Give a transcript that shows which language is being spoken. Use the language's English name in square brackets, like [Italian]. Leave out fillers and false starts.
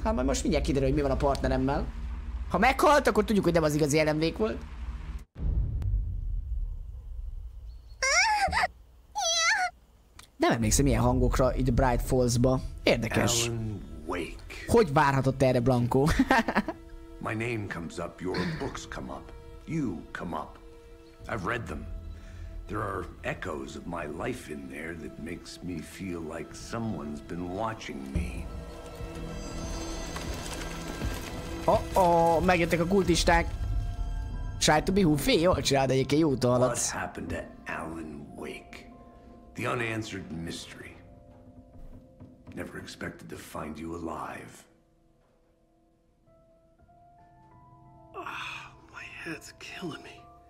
[Hungarian] Hát majd most mindjárt kiderül, hogy mi van a partneremmel. Ha meghalt, akkor tudjuk, hogy nem az igazi LMV-k volt. Nem emlékszem ilyen hangokra itt Bright Falls-ba. Érdekes. Hogy várhatott erre Blanco? [English] My name comes up, your books come up, you come up. I've read them. There are echoes of my life in there that makes me feel like someone's been watching me. [Hungarian] Oh, megjöttek a kultisták. [English] Try to be who fail, [Hungarian] jól csinálod egyébként, jó úton haladsz. [English] What happened to Alan Wake? The unanswered mystery. Never expected to find you alive. That's killing me.